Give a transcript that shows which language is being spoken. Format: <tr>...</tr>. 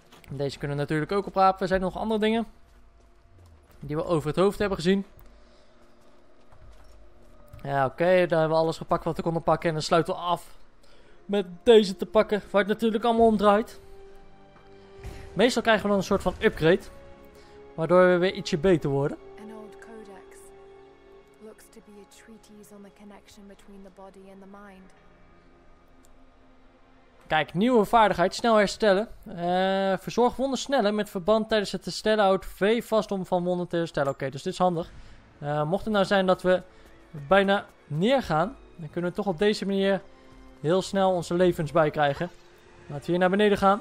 <nl>Deze kunnen we natuurlijk ook oprapen. Er zijn nog andere dingen. Die we over het hoofd hebben gezien. Ja, oké. Daar hebben we alles gepakt wat we konden pakken. En dan sluiten we af. Met deze te pakken. Waar het natuurlijk allemaal om draait. Meestal krijgen we dan een soort van upgrade. Waardoor we weer ietsje beter worden. Een oude codex.</nl> <en>Looks to be a treatise on the connection between the body and the mind.</en> <nl>Kijk, nieuwe vaardigheid. Snel herstellen. Verzorg wonden sneller met verband tijdens het herstellen. Houd V vast om van wonden te herstellen. Oké, dus dit is handig. Mocht het nou zijn dat we bijna neergaan. Dan kunnen we toch op deze manier heel snel onze levens bijkrijgen. Laten we hier naar beneden gaan.</nl>